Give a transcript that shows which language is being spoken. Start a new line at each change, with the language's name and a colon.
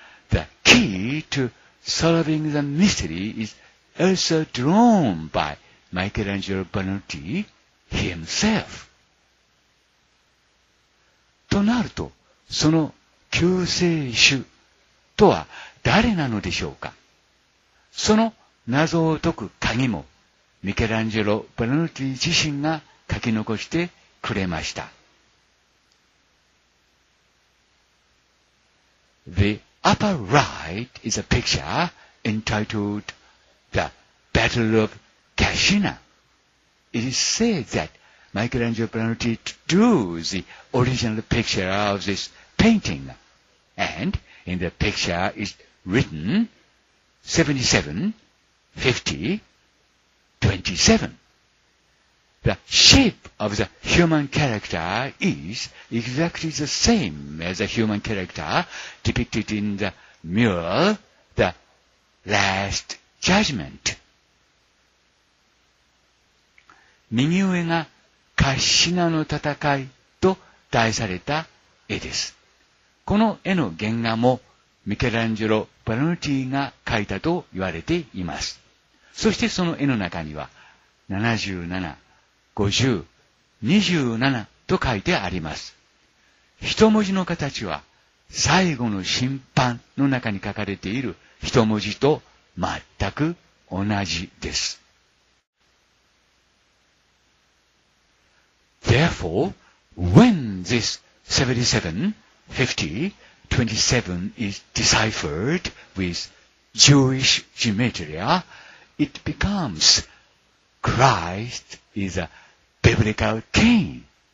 English: The key to solving the mystery is also drawn by Michelangelo Bonotti himself.
Japanese: となると、その救世主とは誰なのでしょうか？その謎を解く鍵もミケランジェロ・ボナノティ自身が書き残してくれました。
English: The upper right is a picture entitled The Battle of Cascina. It is said that Michelangelo Bonotti drew the original picture of this painting, and in the picture is written,77, 50, 27. The shape of the human character is exactly the same as the human character depicted in the mural, The Last Judgment.
Japanese: 右上がカッシナの戦いと題された絵です。この絵の原画もミケランジェロ・バルノティが描いたと言われています。そしてその絵の中には77、50、27と書いてあります。一文字の形は最後の審判の中に書かれている一文字と全く同じです。
English: Therefore, when this 77, 50, 27 is deciphered with Jewish gematria, it becomes Christ is a biblical king.